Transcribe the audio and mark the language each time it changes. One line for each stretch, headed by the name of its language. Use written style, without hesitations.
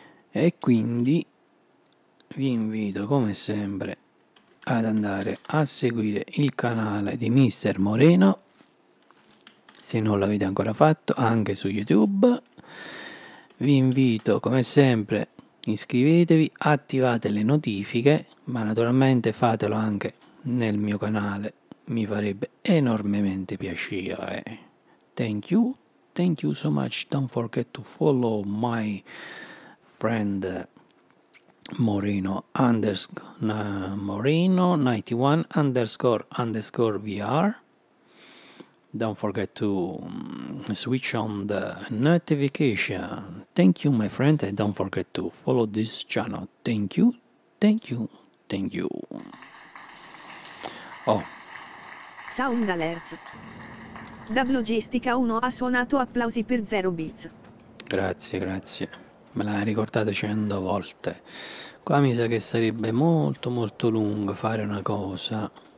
Italian: E quindi vi invito come sempre ad andare a seguire il canale di Mister Moreno, se non l'avete ancora fatto, anche su YouTube. Vi invito come sempre, iscrivetevi, attivate le notifiche, ma naturalmente fatelo anche nel mio canale, mi farebbe enormemente piacere.
English: Thank you. Thank you so much. Don't forget to follow my friend Moreno Moreno 91_ VR. Don't forget to switch on the notification. Thank you, my friend, and don't forget to follow this channel. Thank you, thank you, thank you. Oh. Sound alerts.
Italian: Da Blogistica 1 ha suonato applausi per 0 bits. Grazie, grazie. Me l'ha ricordato 100 volte. Qua mi sa che sarebbe molto molto lungo fare una cosa.